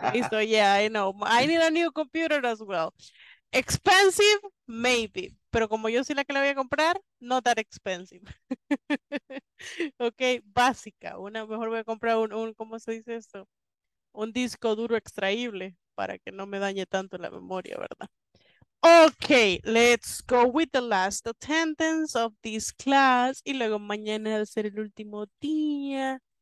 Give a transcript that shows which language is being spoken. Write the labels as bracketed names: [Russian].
[English] So yeah, I know. I need a new computer as well. Expensive, maybe. [Spanish] Pero como yo soy la que la voy a comprar, [English] not that expensive. [Spanish] Okay, básica. Una mejor voy a comprar un ¿cómo se dice esto? Un disco duro extraíble para que no me dañe tanto la memoria, ¿verdad? [English] Okay, let's go with the last attendance of this class. [Spanish] Y luego mañana va a ser el último día.